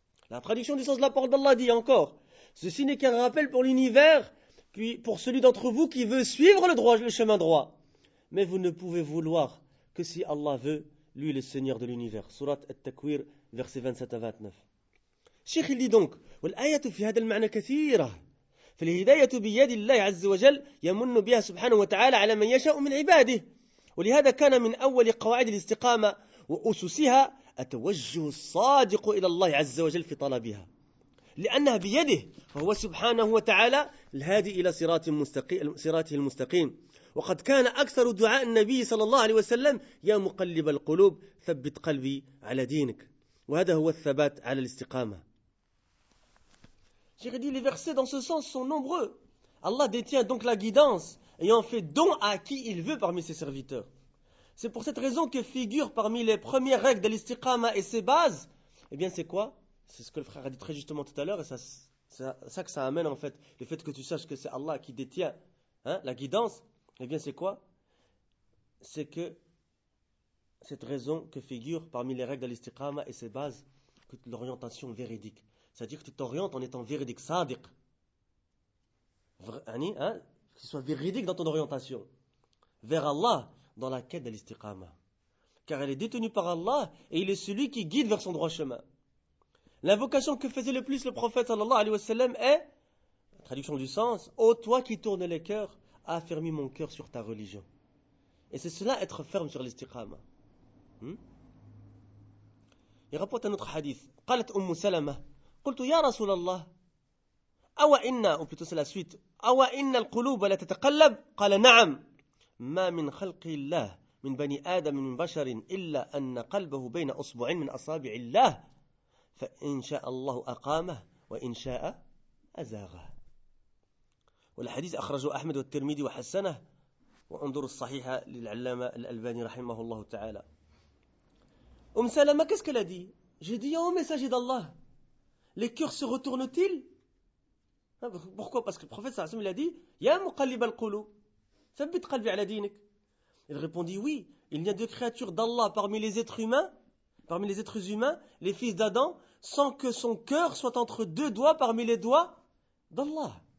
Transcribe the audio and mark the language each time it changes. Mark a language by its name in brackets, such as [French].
[French] La traduction du sens de la parole d'Allah dit encore, ceci n'est qu'un rappel pour l'univers, puis pour celui d'entre vous qui veut suivre le chemin droit. Mais vous ne pouvez vouloir que si Allah veut, lui le Seigneur de l'univers. Surat At-Takwir, versets 27 à 29. Cheikh dit donc, [Arabic] « وَالْآيَةُ فِي هَذَا الْمَعْنَى كَثِيرًا فَالْهِدَيَةُ بِيَدِ اللَّهِ عَزِّ وَجَلِ يَمُنُّ بِيَا سُبْحَانَهُ وَتَعَالَى عَلَى مَنْ يَشَاءُ مِنْ عِبَادِهِ وَلِهَذَا كَانَ مِنْ أَوَّلِ قَوَاعِدِ الْاسْتِقَامَةِ وَأُسُسِهَا أتوجه الصادق إلى الله عز وجل في طلبها لأنها بيده فهو سبحانه وتعالى الهادي إلى صراطه المستقيم وقد كان أكثر دعاء النبي صلى الله عليه وسلم يا مقلب القلوب ثبت قلبي على دينك وهذا هو الثبات على الاستقامة. [French] J'ai dit les versets dans ce sens sont nombreux. Allah détient donc la guidance et en fait don à qui il veut parmi ses serviteurs. C'est pour cette raison que figure parmi les premières règles de l'istiqama et ses bases, eh bien c'est quoi? C'est ce que le frère a dit très justement tout à l'heure et ça ça que ça amène en fait, le fait que tu saches que c'est Allah qui détient la guidance, eh bien c'est quoi? C'est que cette raison que figure parmi les règles de l'istiqama et ses bases, que l'orientation véridique. C'est-à-dire que tu t'orientes en étant véridique, sadiq. Que ce soit véridique dans ton orientation. Vers Allah, dans la quête de l'istiqama. Car elle est détenue par Allah et il est celui qui guide vers son droit chemin. L'invocation que faisait le plus le prophète sallallahu alayhi wa sallam est, traduction du sens, ô toi qui tournes les cœurs, affermis mon cœur sur ta religion. Et c'est cela, être ferme sur l'istiqama. Il rapporte un autre hadith. [Arabic] قالت أم سلمة قلت يا رسول الله أو إن أو [French] plutôt c'est la suite [Arabic] أو إن القلوب لا تتقلب قال نعم ما من خلق الله من بني آدم من بشر إلا أن قلبه بين أصبع من أصابع الله فإن شاء الله أقامه وإن شاء أزاغه. والحديث أخرجه أحمد والترمذي وحسنه وانظر الصحيحة للعلامة الألباني رحمه الله تعالى. [French] أم سلمة qu'est-ce qu'elle a dit? J'ai dit, oh messager d'Allah, les cœurs se retournent-ils? Pourquoi? Parce que le prophète sallallahu alayhi wa sallam, il a dit, [Arabic] Ya muqallib al-qulub, thabbit qalbi ala dinik. [French] Il répondit, oui, il n'y a de créature d'Allah parmi les êtres humains, parmi les êtres humains, les fils d'Adam, sans que son cœur soit entre deux doigts parmi les doigts d'Allah.